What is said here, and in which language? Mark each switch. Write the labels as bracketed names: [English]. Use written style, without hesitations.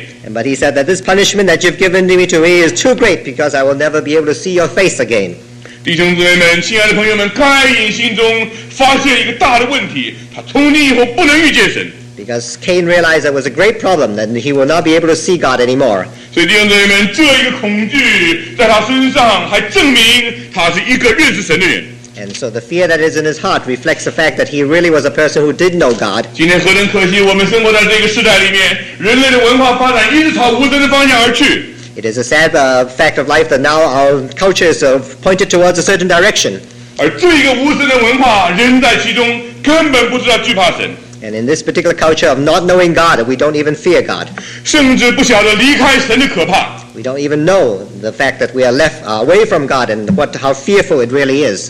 [English] but he said that this punishment that you've given me to me is too great because I will never be able to see your face again. [Chinese] 弟兄姊妹们, 亲爱的朋友们, 该隐心中发现一个大的问题, 他从今以后不能遇见神。 [English] Because Cain realized that was a great problem, that he will not be able to see God anymore. [Chinese] 所以弟兄姊妹们, 这一个恐惧在他身上还证明他是一个认识神的人。 [English] And so the fear that is in his heart reflects the fact that he really was a person who did know God. [Chinese] 今天何等可惜我们生活在这个时代里面,人类的文化发展一直朝无神的方向而去。 [English] It is a sad fact of life that now our culture is pointed towards a certain direction. [Chinese] 而这一个无神的文化, 人在其中, 根本不知道惧怕神。 [English] And in this particular culture of not knowing God, we don't even fear God. We don't even know the fact that we are left away from God and what how fearful it really is.